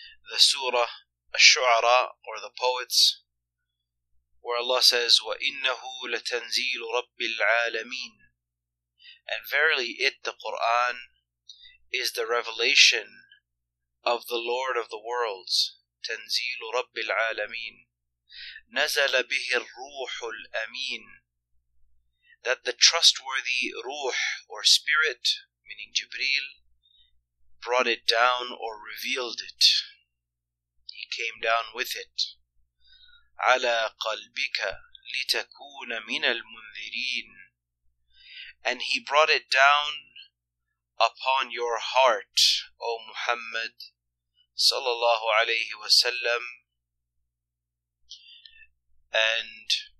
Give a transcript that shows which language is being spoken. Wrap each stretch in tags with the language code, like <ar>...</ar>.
<en>the surah Ash-Shu'ara, or the poets, where Allah says,</en> <ar>وَإِنَّهُ لَتَنْزِيلُ رَبِّ الْعَالَمِينَ,</ar> <en>and verily it, the Quran, is the revelation of the Lord of the worlds.</en> <ar>تنزيل رب العالمين نزل به الروح الأمين.</ar> <en>That the trustworthy ruh or spirit, meaning Jibril, brought it down or revealed it. He came down with it.</en> <ar>على قلبك لتكون من المنذرين.</ar> <en>And he brought it down upon your heart, O Muhammad,</en> <ar>صلى الله عليه وسلم,</ar> <en>and</en>